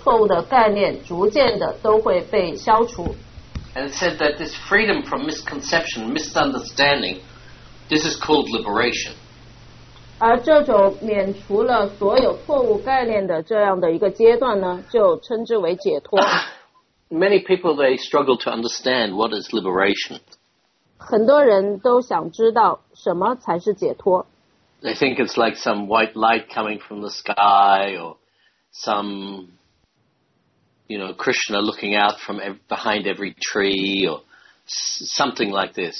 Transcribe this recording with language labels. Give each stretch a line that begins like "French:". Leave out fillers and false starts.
Chinese: 通过聆听呢，我们长久以来与物质联谊而得出的这些错误的认同和错误的概念逐渐的都会被消除。
English: And it said that this freedom from misconception, misunderstanding, this is called liberation.
Chinese: 而这种免除了所有错误概念的这样的一个阶段呢，就称之为解脱。
English: Many people, they struggle to understand what is liberation.
Chinese: 很多人都想知道什么才是解脱。
English: They think it's like some white light coming from the sky, or some, you know, Krishna looking out from behind every tree, or something like this.